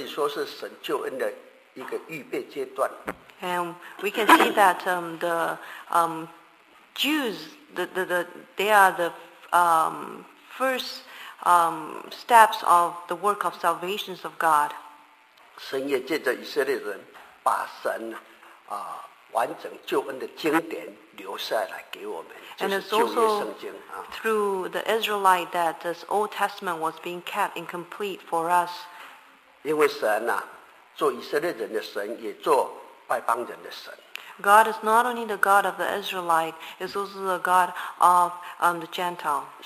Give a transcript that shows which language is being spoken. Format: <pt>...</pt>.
<zh>就是犹太人可以说是神救恩的一个预备阶段。</zh> <en>And we can see that Jews, they are the first steps of the work of salvation of God.</en> <zh>神也借着以色列人把神完整救恩的经典留下来给我们,</zh> <en>and it's also through the Israelite that this Old Testament was being kept incomplete for us.</en> <zh>因为神啊，做以色列人的神，也做外邦人的神。</zh> <en>God is not only the God of the Israelite, it's also the God of the Gentile.</en>